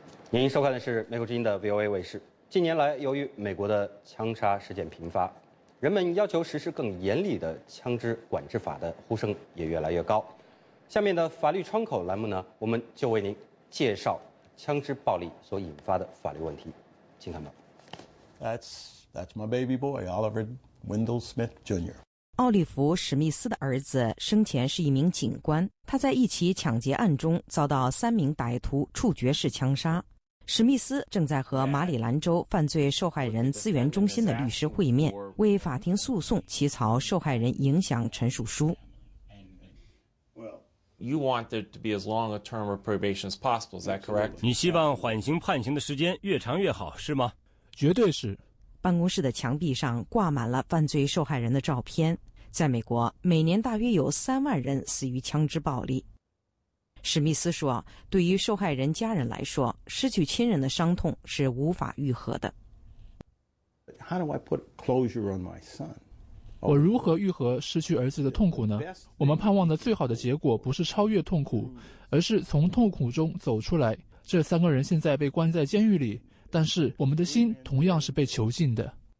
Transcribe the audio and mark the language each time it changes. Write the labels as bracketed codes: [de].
[zh] 您收看的是美国之音的 VOA 卫视。近年来，由于美国的枪杀事件频发，人们要求实施更严厉的枪支管制法的呼声也越来越高。下面的法律窗口栏目呢，我们就为您介绍枪支暴力所引发的法律问题，请看吧。 [en] That's my baby boy, Oliver Wendell Smith Jr. [zh] 奥利弗·史密斯的儿子生前是一名警官，他在一起抢劫案中遭到三名歹徒处决式枪杀。史密斯正在和马里兰州犯罪受害人资源中心的律师会面，为法庭诉讼起草受害人影响陈述书。 [en] You want there to be as long a term of probation as possible, is that correct? [zh] 你希望缓刑判刑的时间越长越好，是吗？绝对是。办公室的墙壁上挂满了犯罪受害人的照片。在美国，每年大约有30,000人死于枪支暴力。史密斯说，对于受害人家人来说，失去亲人的伤痛是无法愈合的。 [en] How do I put closure on my son? [zh] 我如何愈合失去儿子的痛苦呢？我们盼望的最好的结果不是超越痛苦，而是从痛苦中走出来。这三个人现在被关在监狱里，但是我们的心同样是被囚禁的。